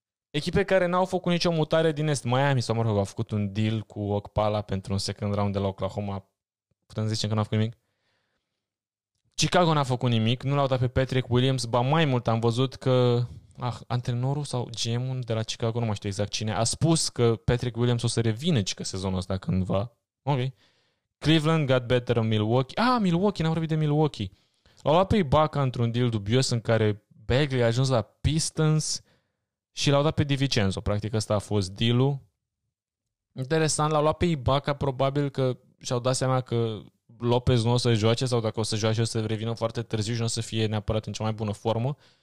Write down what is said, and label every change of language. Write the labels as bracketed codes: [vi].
[ro] Echipe care n-au făcut nicio mutare din Est. Miami, sau mă rog, au făcut un deal cu Okpala pentru un second round de la Oklahoma. Putem zice că n-au făcut nimic? Chicago n-a făcut nimic. Nu l-au dat pe Patrick Williams. Ba mai mult am văzut că antrenorul sau GM-ul de la Chicago, nu mai știu exact cine, a spus că Patrick Williams o să revină și că sezonul ăsta cândva. Ok. [en] Cleveland got better in Milwaukee. [ro] Milwaukee, n-am vorbit de Milwaukee. L-au luat pe Ibaka într-un deal dubios în care Bagley a ajuns la Pistons. și l-au dat pe DiVincenzo. Practic ăsta a fost deal-ul. Interesant, l-au luat pe Ibaka, probabil că și-au dat seama că Lopez nu o să joace sau dacă o să joace o să revină foarte târziu și nu o să fie neapărat în cea mai bună formă.